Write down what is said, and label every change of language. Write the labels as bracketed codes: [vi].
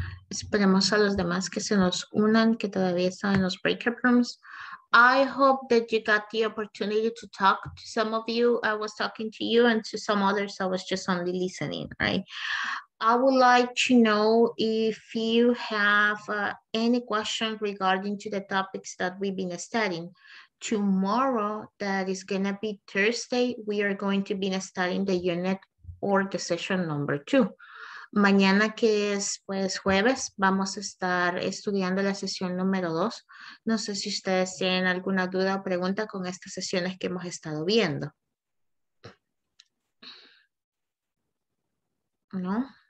[es] Esperemos a los demás que se nos unan, que todavía están en los breakout rooms. [en] I hope that you got the opportunity to talk to some of you. I was talking to you and to some others. I was just only listening, right? I would like to know if you have any questions regarding to the topics that we've been studying. Tomorrow, that is gonna be Thursday, we are going to be studying the unit or the session number 2. [es] Mañana, que es pues jueves, vamos a estar estudiando la sesión número 2. No sé si ustedes tienen alguna duda o pregunta con estas sesiones que hemos estado viendo. ¿No?